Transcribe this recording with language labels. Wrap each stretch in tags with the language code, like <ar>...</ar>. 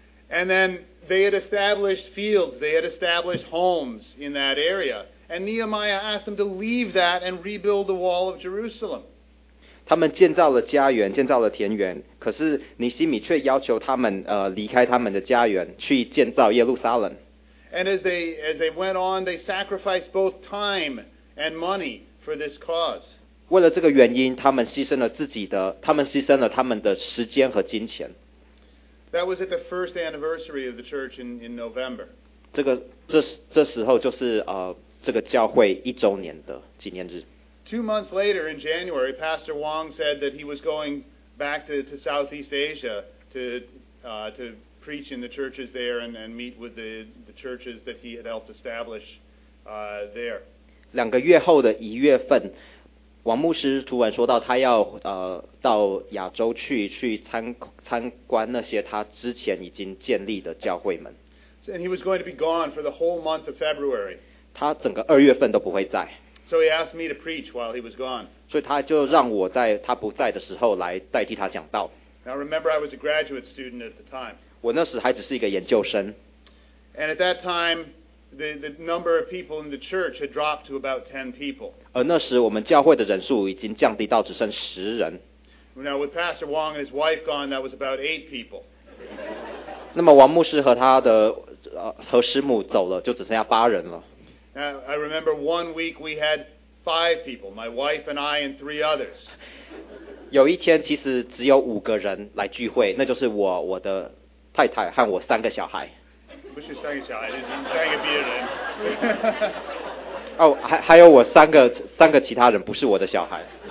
<en>And then they had established fields, they had established homes in that area. And Nehemiah asked them to leave that and rebuild the wall of Jerusalem.</en> <zh>他们建造了家园，建造了田园，可是尼希米却要求他们离开他们的家园，去建造耶路撒冷。</zh> <en>And as they went on, they sacrificed both time and money for this cause.</en> <zh>为了这个原因，他们牺牲了自己的，他们牺牲了他们的时间和金钱。</zh> <en>That was at the first anniversary of the church in November.</en> <zh>这时候就是这个教会一周年的纪念日。</zh> <en>2 months later, in January, Pastor Wong said that he was going back to Southeast Asia to preach in the churches there and meet with the churches that he had helped establish there.</en> <zh>两个月后的一月份，王牧师突然说到他要到亚洲去参观那些他之前已经建立的教会们。</zh> <en>And he was going to be gone for the whole month of February.</en> <zh>他整个二月份都不会在。</zh> <en>So he asked me to preach while he was gone.</en> <zh>所以他就让我在他不在的时候来代替他讲道。</zh> <en>Now remember, I was a graduate student at the time.</en> <zh>我那时还只是一个研究生。</zh> <en>And at that time, the number of people in the church had dropped to about 10 people.</en> <zh>而那时我们教会的人数已经降低到只剩十人。</zh> <en>Now with Pastor Wong and his wife gone, that was about 8 people.</en> <zh>那么王牧师和他的和师母走了，就只剩下八人了。</zh> <en>Now, I remember 1 week we had 5 people, my wife and I and 3 others.</en> <zh>有一天其实只有五个人来聚会，那就是我的太太和我三个小孩。不是三个小孩，是三个别人。哦，还有我三个其他人，不是我的小孩。</zh>